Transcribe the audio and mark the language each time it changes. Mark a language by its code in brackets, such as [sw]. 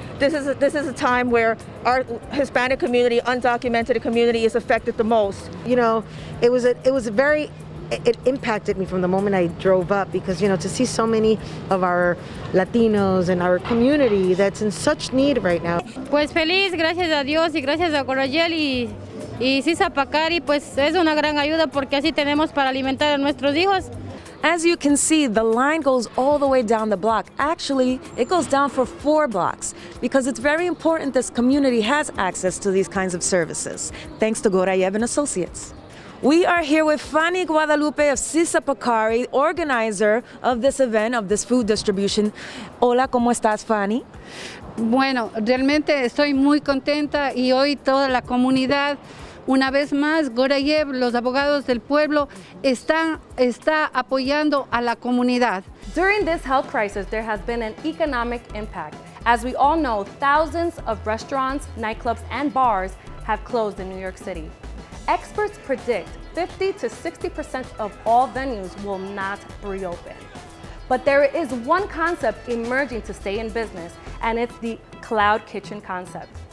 [en] This is a time where our Hispanic community, undocumented community, is affected the most. You know, it impacted me from the moment I drove up, because, you know, to see so many of our Latinos and our community that's in such need right now. [es] Pues feliz, gracias a Dios y gracias a Gorayeb y Sisa Pakari, pues es una gran ayuda porque así tenemos para alimentar a nuestros hijos. [en] As you can see, the line goes all the way down the block. Actually, it goes down for 4 blocks because it's very important this community has access to these kinds of services, thanks to Gorayeb and Associates. We are here with Fanny Guadalupe of Sisa Pakari, organizer of this event, of this food distribution. [es] Hola, ¿cómo estás, Fanny? Bueno, realmente estoy muy contenta y hoy toda la comunidad. Una vez más, Gorayeb, Los Abogados del Pueblo, está apoyando a la comunidad. [en] During this health crisis, there has been an economic impact. As we all know, thousands of restaurants, nightclubs, and bars have closed in New York City. Experts predict 50 to 60% of all venues will not reopen. But there is one concept emerging to stay in business, and it's the cloud kitchen concept.